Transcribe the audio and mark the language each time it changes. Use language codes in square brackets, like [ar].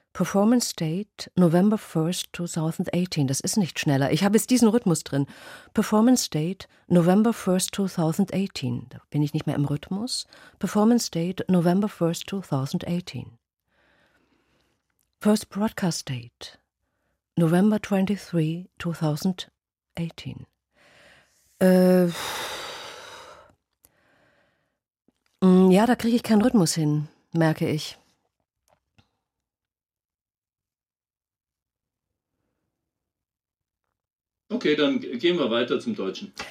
[en] Performance Date, November 1st, 2018. [de] Das ist nicht schneller. Ich habe jetzt diesen Rhythmus drin. [en] Performance Date, November 1st, 2018. [de] Da bin ich nicht mehr im Rhythmus. [en] Performance Date, November 1st, 2018. First Broadcast Date, November 23, 2018. [de] Ja, da kriege ich keinen Rhythmus hin, merke ich. Okay, dann gehen wir weiter zum Deutschen.